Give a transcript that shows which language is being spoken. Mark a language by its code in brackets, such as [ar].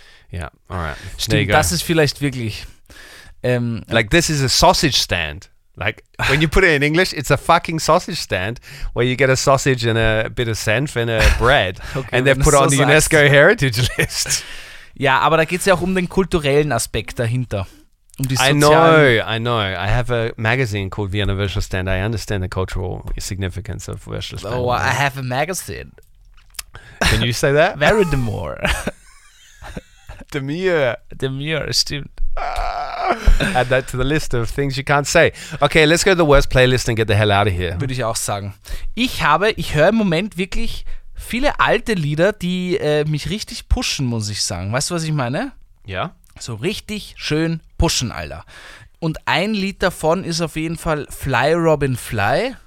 [en] Yeah, all right. [de] Stimmt, das ist vielleicht wirklich... [en] Like, this is a sausage stand. Like, when you put it in English, it's a fucking sausage stand where you get a sausage and a bit of senf and a bread okay, and they've put it on the UNESCO Heritage List. [de] Ja, aber da geht's ja auch um den kulturellen Aspekt dahinter. Um die sozialen. [en] I know. I have a magazine called Vienna Würstelstand. I understand the cultural significance of Würstelstand. Oh, I have a magazine. Can you say that? Very demure. Demure. [de] Demure, stimmt. [en] Add that to the list of things you can't say. Okay, let's go to the worst playlist and get the hell out of here. [de] Würde ich auch sagen. Ich höre im Moment wirklich viele alte Lieder, die mich richtig pushen, muss ich sagen. Weißt du, was ich meine? Ja. So richtig schön pushen, Alter. Und ein Lied davon ist auf jeden Fall Fly Robin Fly.